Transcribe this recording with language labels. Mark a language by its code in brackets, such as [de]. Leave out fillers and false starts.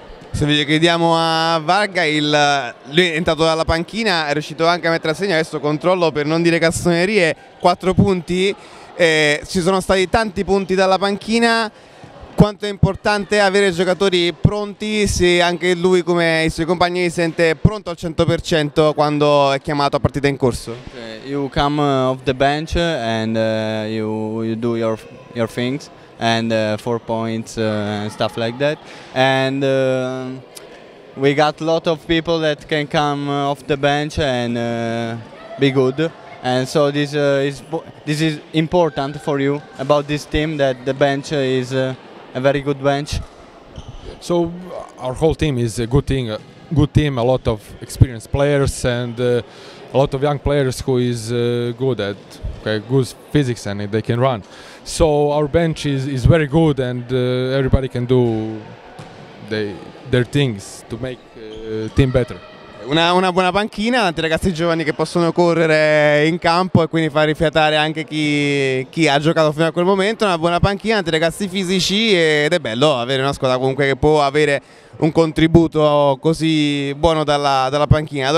[it] Se vi chiediamo a Varga, lui è entrato dalla panchina, è riuscito anche a mettere a segno, adesso controllo per non dire castonerie, 4 punti, ci sono stati tanti punti dalla panchina. Quanto è importante avere giocatori pronti, se anche lui come i suoi compagni si sente pronto al 100% quando è chiamato a partita in corso? [en] You come off the bench and you do your things and 4 points and stuff like that. And we got lot of people that can come off the bench and be good. And so this is important for you about this team, that the bench is a very good bench. So our whole team is a good thing, a lot of experienced players and a lot of young players who is good at good physics and they can run. So our bench is very good and everybody can do their things to make team better. [it] Una buona panchina, tanti ragazzi giovani che possono correre in campo e quindi far rifiatare anche chi ha giocato fino a quel momento, una buona panchina, tanti ragazzi fisici, ed è bello avere una squadra comunque che può avere un contributo così buono dalla panchina.